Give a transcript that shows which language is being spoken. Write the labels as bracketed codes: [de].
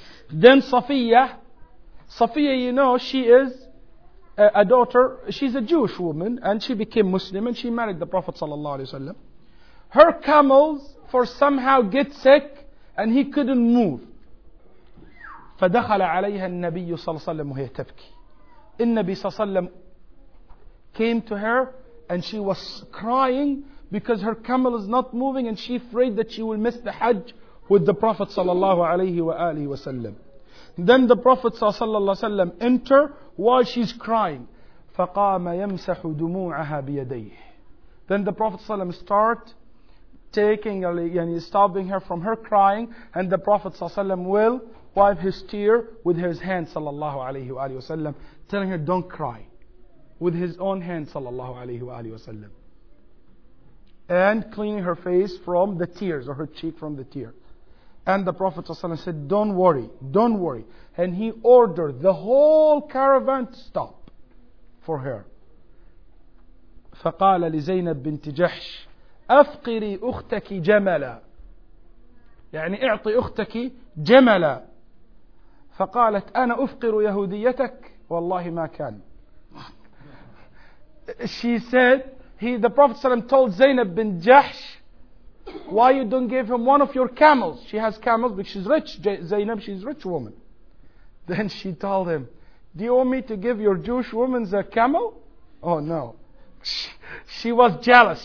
[en] Then Safiya, you know, she is a daughter, she's a Jewish woman, and she became Muslim, and she married the Prophet sallallahu alaihi wasallam. Her camels for somehow get sick and he couldn't move. [ar] فدخل عليها النبي صلى الله عليه وسلم وهي تبكي. النبي صلى الله عليه وسلم [en] came to her and she was crying because her camel is not moving and she afraid that she will miss the Hajj with the Prophet صلى الله عليه وآله وسلم. Then the Prophet صلى الله عليه وسلم enter while she's crying. [ar] فقام يمسح دموعها بيديه. [en] Then the Prophet صلى الله عليه وسلم start taking and stopping her from her crying, and the Prophet ﷺ will wipe his tear with his hand, sallallahu alaihi wasallam, telling her, "Don't cry," with his own hand, sallallahu alaihi wasallam, and cleaning her face from the tears or her cheek from the tear. And the Prophet ﷺ said, "Don't worry, don't worry," and he ordered the whole caravan to stop for her. [ar] فقال لزينب بنت جحش أفقري أختك جملا يعني اعطي أختك جملا فقالت أنا أفقر يهوديتك والله ما كان [en] she said, the Prophet ﷺ told Zainab bin Jahsh, why you don't give him one of your camels? She has camels because she's rich. Zainab, she's a rich woman. Then she told him, do you want me to give your Jewish woman a camel? Oh no. She was jealous.